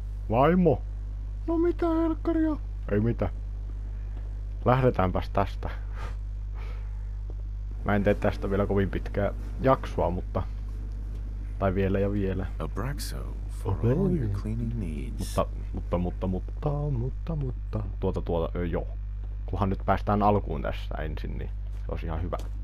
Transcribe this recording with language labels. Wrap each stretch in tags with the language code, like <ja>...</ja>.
<fi>Vaimo! No mitä helkkaria? Ei mitä. Lähdetäänpäs tästä. Mä en tee tästä vielä kovin pitkää jaksoa, mutta tai vielä ja vielä.</fi> <en>Abraxo for all your cleaning needs.</en> <fi>Mutta. Joo. Kunhan nyt päästään alkuun tässä ensin, niin se olisi ihan hyvä.</fi>